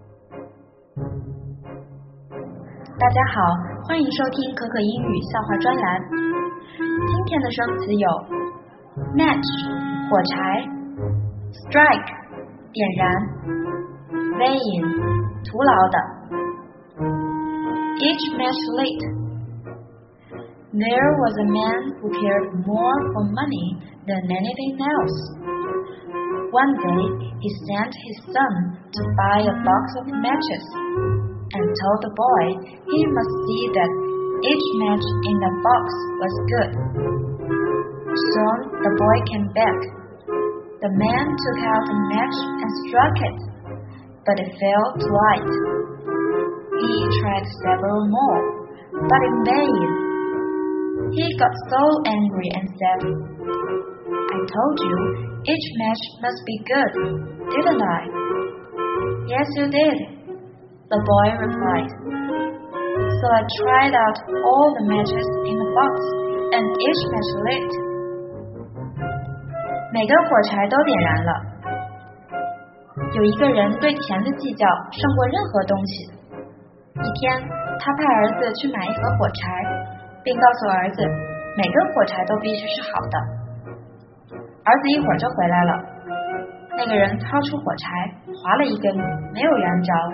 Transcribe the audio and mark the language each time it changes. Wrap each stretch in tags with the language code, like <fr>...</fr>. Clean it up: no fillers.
<zh>大家好，欢迎收听可可英语笑话专栏。今天的生词有 match 火柴 strike 点燃 vain 徒劳的 each match late。</zh> <en>There was a man who cared more for money than anything else. One day, he sent his son to buy a box of matches and told the boy he must see that each match in the box was good. Soon, the boy came back. The man took out a match and struck it, but it fell to light. He tried several more, but in vain. He got so angry and said, I told you, each match must be good, didn't I? Yes, you did, the boy replied. So I tried out all the matches in the box, and each match lit.</en> <zh>每个火柴都点燃了。有一个人对钱的计较胜过任何东西。一天，他派儿子去买一盒火柴。并告诉儿子，每个火柴都必须是好的。儿子一会儿就回来了，那个人掏出火柴，划了一根，没有燃着。</zh>